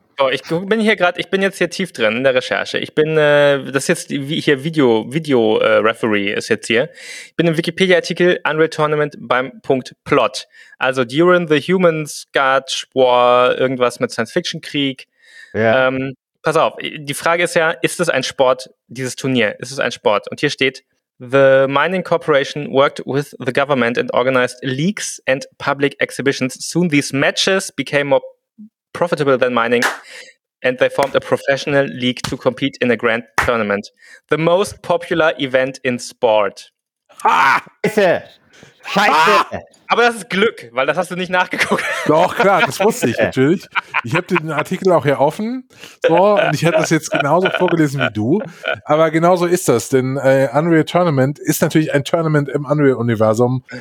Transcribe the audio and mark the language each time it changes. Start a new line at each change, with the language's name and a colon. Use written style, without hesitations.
German: Oh, ich bin hier gerade, ich bin jetzt hier tief drin in der Recherche. Ich bin, das ist jetzt hier Video-Referee ist jetzt hier. Ich bin im Wikipedia-Artikel Unreal Tournament beim Punkt Plot.
English: Also during the humans got war,
German: irgendwas mit Science-Fiction-Krieg.
English: Yeah.
German: Pass auf, die Frage ist ja, ist es ein Sport, dieses Turnier? Ist es ein Sport? Und hier steht,
English: the mining corporation worked with the government and organized leagues and public exhibitions. Soon these matches became more profitable than mining, and they formed a professional league to compete in a grand tournament. The most popular event in sport.
German: Ah! Scheiße! Scheiße! Ah! Aber das ist Glück, weil das hast du nicht nachgeguckt. Doch, klar, das wusste ich natürlich. Ich habe den Artikel auch hier offen. So, und ich hätte das jetzt genauso vorgelesen wie du. Aber genauso ist das, denn Unreal Tournament ist natürlich ein Tournament im Unreal-Universum.